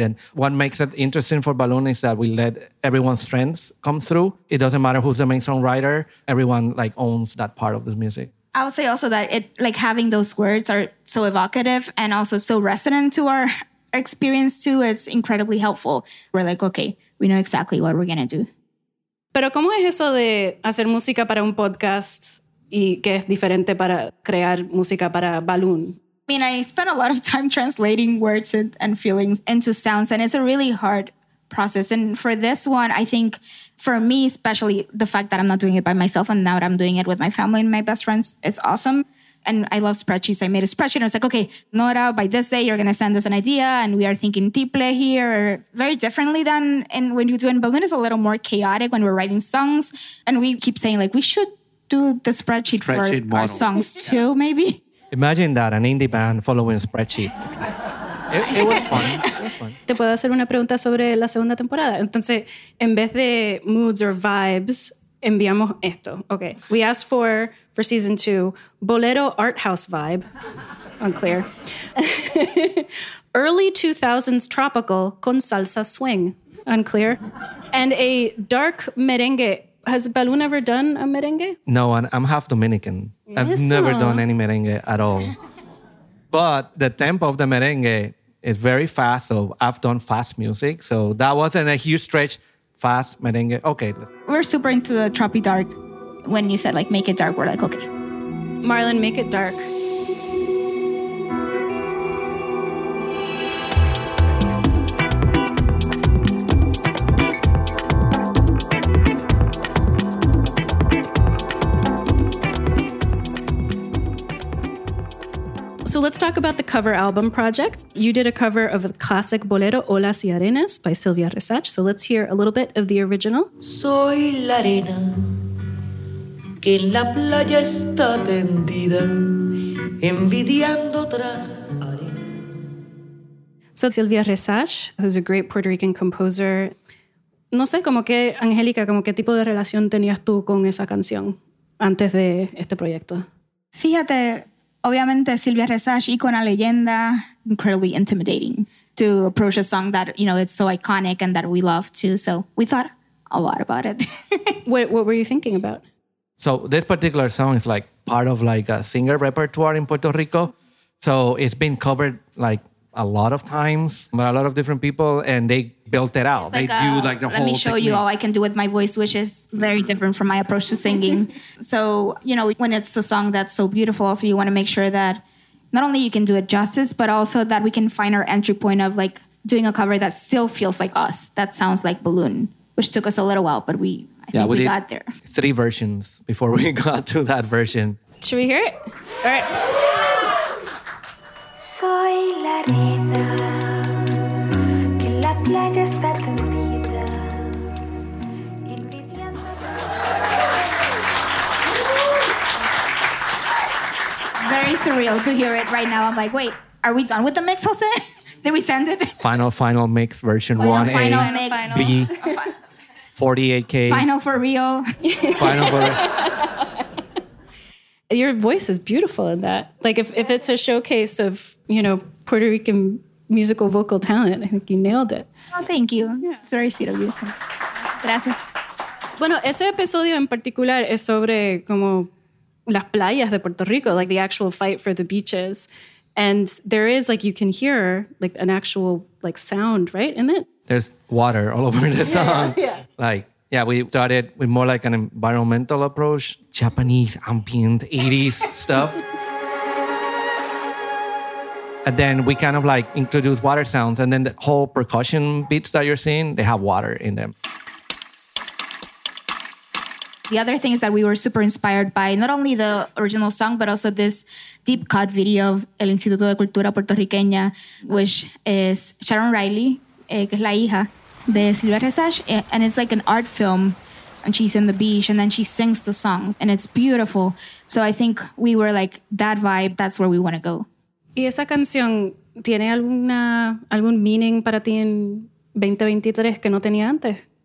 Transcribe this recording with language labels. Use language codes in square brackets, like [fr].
[en] And what makes it interesting for Balloon is that we let everyone's strengths come through. It doesn't matter who's the main songwriter. Everyone like owns that part of the music. I would say also that it like having those words are so evocative and also so resonant to our experience too. It's incredibly helpful. We're like, okay, we know exactly what we're going to do. [es] Pero ¿cómo es eso de hacer música para un podcast y que es diferente para crear música para Balloon? [en] I mean, I spent a lot of time translating words and feelings into sounds, and it's a really hard process. And for this one, I think for me, especially the fact that I'm not doing it by myself and now that I'm doing it with my family and my best friends, it's awesome. And I love spreadsheets. I made a spreadsheet and I was like, okay, Nora, by this day, you're going to send us an idea. And we are thinking tiple here very differently than and when you do in Berlin. It's a little more chaotic when we're writing songs. And we keep saying like, we should do the spreadsheet for model. Our songs yeah. too, maybe. Imagine that, an indie band following a spreadsheet. It was fun. [es] ¿Te puedo hacer una pregunta sobre la segunda temporada? Entonces, en vez de [en] moods or vibes, [es] enviamos esto. Okay. [en] We asked for season two, bolero art house vibe. Unclear. Early 2000s tropical con salsa swing. Unclear. And a dark merengue. Has Balloon ever done a merengue? No, I'm half Dominican. Yes. I've never done any merengue at all. But the tempo of the merengue is very fast. So I've done fast music. So that wasn't a huge stretch fast merengue. Okay. We're super into the tropi dark. When you said like make it dark, we're like, okay. Marlon, make it dark. So let's talk about the cover album project. You did a cover of the classic bolero Olas y Arenas by Silvia Resach. So let's hear a little bit of the original. [es] Soy la arena que en la playa está tendida, envidiando otras arenas. [en] So Silvia Resach, who's a great Puerto Rican composer. [es] No sé, como que, Angélica, como qué tipo de relación tenías tú con esa canción antes de este proyecto. Fíjate, obviamente, [en] Silvia Resach, [es] icona leyenda, [en] incredibly intimidating to approach a song that, you know, it's so iconic and that we love too. So we thought a lot about it. What were you thinking about? So this particular song is like part of like a singer repertoire in Puerto Rico. So it's been covered like a lot of times by a lot of different people and they built it out. Like they Let me show you all I can do with my voice, which is very different from my approach to singing. So, you know, when it's a song that's so beautiful, so you want to make sure that not only you can do it justice, but also that we can find our entry point of like doing a cover that still feels like us, that sounds like Balloon, which took us a little while, but we got there. Three versions before we got to that version. Should we hear it? All right. [es] Soy la arena que la playa está tendida, envidiando. [en] It's very surreal to hear it right now. I'm like, wait, are we done with the mix, Jose? Did we send it? Final mix version 1A. Final mix. B. 48K. Final for real. Final for real. Your voice is beautiful in that. Like if it's a showcase of, you know, Puerto Rican musical vocal talent, I think you nailed it. Oh, thank you. Yeah. It's very sweet of you. [es] Gracias. Bueno, ese episodio en particular es sobre como las playas de Puerto Rico, [en] like the actual fight for the beaches. And there is like, you can hear like an actual like sound, right? In it? There's water all over the song. Yeah. Like, yeah, we started with more like an environmental approach, Japanese ambient 80s stuff. And then we kind of like introduced water sounds, and then the whole percussion beats that you're seeing, they have water in them. The other thing is that we were super inspired by not only the original song, but also this deep cut video of El Instituto de Cultura Puertorriqueña, which is Sharon Riley, [es] que es la hija de Silvia Resach, [en] and it's like an art film, and she's in the beach, and then she sings the song, and it's beautiful. So I think we were like, that vibe, that's where we want to go. [es] ¿Y esa canción tiene algún meaning para ti en 2023 que no tenía antes?